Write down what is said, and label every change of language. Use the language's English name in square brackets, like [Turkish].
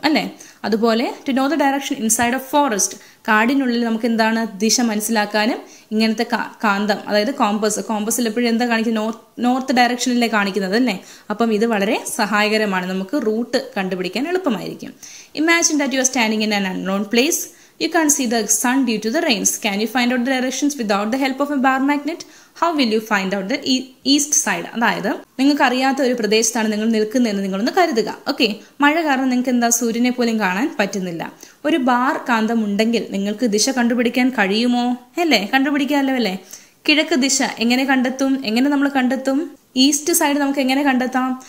[Malayalam] അല്ലേ, അതുപോലെ [English] to know the direction inside a forest, [Malayalam] കാടിനുള്ളിൽ നമുക്ക് എന്താണ് ദിശ മനസ്സിലാക്കാനും ഇങ്ങനത്തെ കാന്തം, അതായത് കോമ്പസ്. കോമ്പസിൽ എപ്പോഴും എന്താ കാണിക്കുന്നത്? നോർത്ത് ഡയറക്ഷനിലേ കാണിക്കുന്നത്. അല്ലേ, അപ്പം ഇത് വളരെ സഹായകരമാണ്, നമുക്ക് റൂട്ട് കണ്ടുപിടിക്കാൻ എളുപ്പമായിരിക്കും. [English] Imagine that you are standing in an unknown place. You can't see the sun due to the rains. Can you find out the directions without the help of a bar magnet? How will you find out the east side? [Malayalam] അതായത് നിങ്ങൾക്ക് അറിയാത്ത ഒരു പ്രദേശത്താണ് നിങ്ങൾ നിൽക്കുന്നതെന്ന് നിങ്ങളൊന്ന് കരുതുക. Okay, മഴ കാരണം നിങ്ങൾക്ക് എന്താ സൂര്യനെ പോലും കാണാൻ പറ്റുന്നില്ല. ഒരു ബാർ കാന്തം ഉണ്ടെങ്കിൽ നിങ്ങൾക്ക് ദിശ കണ്ടുപിടിക്കാൻ കഴിയുമോ? അല്ലേ, കണ്ടുപിടിക്കാമല്ലോ. അല്ലേ, കിഴക്ക് ദിശ എങ്ങനെ കണ്ടെത്തും? എങ്ങനെ നമ്മൾ കണ്ടെത്തും? ഈസ്റ്റ് സൈഡ് നമുക്ക് എങ്ങനെ കണ്ടെത്താം?